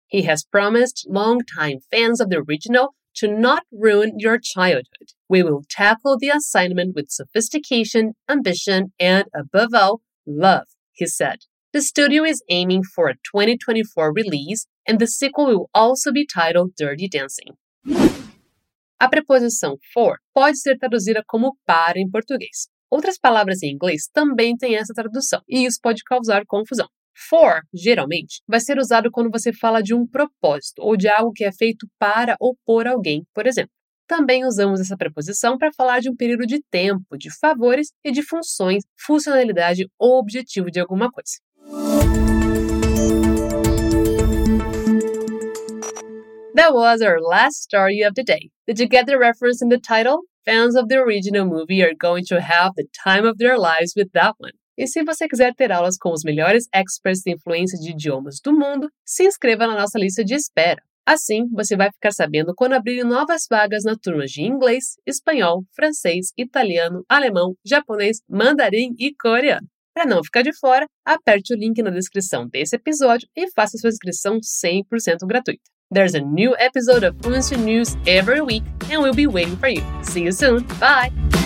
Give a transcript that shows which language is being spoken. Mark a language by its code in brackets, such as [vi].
[en] He has promised longtime fans of the original to not ruin your childhood. We will tackle the assignment with sophistication, ambition, and above all, love, he said. The studio is aiming for a 2024 release, and the sequel will also be titled Dirty Dancing. [pt] A preposição for pode ser traduzida como para em português. Outras palavras em inglês também têm essa tradução, e isso pode causar confusão. For, geralmente, vai ser usado quando você fala de um propósito ou de algo que é feito para ou por alguém, por exemplo. Também usamos essa preposição para falar de um período de tempo, de favores e de funções, funcionalidade ou objetivo de alguma coisa. [en] That was our last story of the day. Did you get the reference in the title? Fans of the original movie are going to have the time of their lives with that one. [pt] E se você quiser ter aulas com os melhores experts de influência de idiomas do mundo, se inscreva na nossa lista de espera. Assim, você vai ficar sabendo quando abrirem novas vagas na turma de inglês, espanhol, francês, italiano, alemão, japonês, mandarim e coreano. Para não ficar de fora, aperte o link na descrição desse episódio e faça sua inscrição 100% gratuita. [en] There's a new episode of Fluency News every week, and we'll be waiting for you. See you soon. Bye!